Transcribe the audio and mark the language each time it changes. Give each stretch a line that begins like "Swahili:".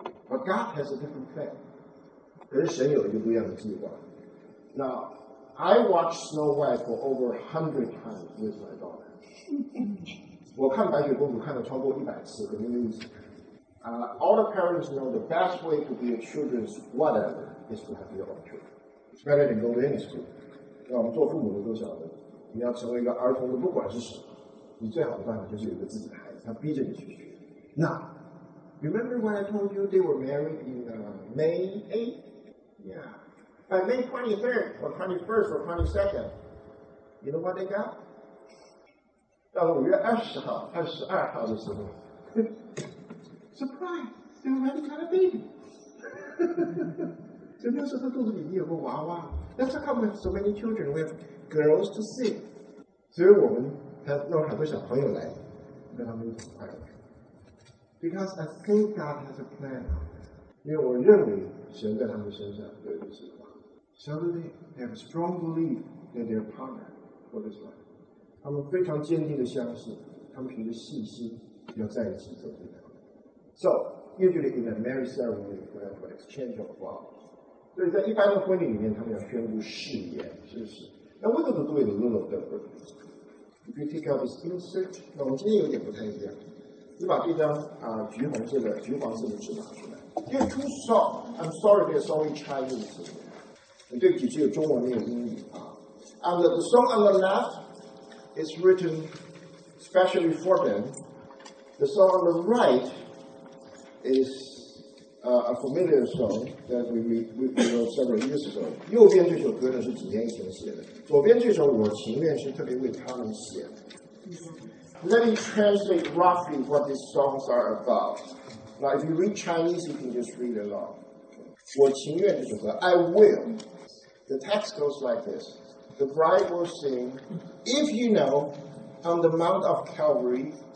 English: But God has a different plan.
Chinese: 可是神有一个不一样的计划。
English: 那I watched Snow White for over 100 times with my daughter.
Chinese: 我看白雪公主看了超过100次跟你的意思。
English: All the parents know the best way to be a children's whatever is to have your own children. It's better than go to any school.
Chinese: 那我们做父母的都晓得，你要成为一个儿童的，不管是什么，你最好的办法就是有个自己的孩子，他逼着你去学。
English: Now, remember when I told you they were married in May 8th? Yeah. By May 23rd, or 21st, or 22nd, you know what they got?
Chinese: 到了5月20号、22号的时候
English: Surprise! They already got a baby!
Chinese: 所以那时候肚子里有个娃娃
English: That's how come we have so many children, we have girls to see.
Chinese: 所以我们还弄很多小朋友来跟他们一起快乐。
English: Because I think God has a plan.
Chinese: 因为我认为神在他们身上有一个计划。
English: So they have a strong belief that they are partner for this life.
Chinese: 他们非常坚定的相信，他们凭着信心要在一起走这条路。
English: So usually in a marriage ceremony, we have an exchange of vows.
Chinese: 所以在一般的婚礼里面，他们要宣布誓言，是不是？那为什么做一个
English: little different? If you take out this insert,
Chinese: 那我们今天有点不太一样。你把这张橘黄色的纸拿出来。
English: You're too soft. I'm sorry. They're sorry Chinese.
Chinese: 对不起，只有中文没有英语啊。
English: And the song on the left is written specially for them. The song on the right is a familiar song that we wrote several years ago.
Chinese: 右边这首歌呢是几年以前写的，左边这首我情愿是特别为他们写的。
English: Let me translate roughly what these songs are about. Now, if you read Chinese, you can just read along.
Chinese: 我情愿这首歌
English: ，I will. The text goes like this. The bride will sing, If you know, on the Mount of Calvary,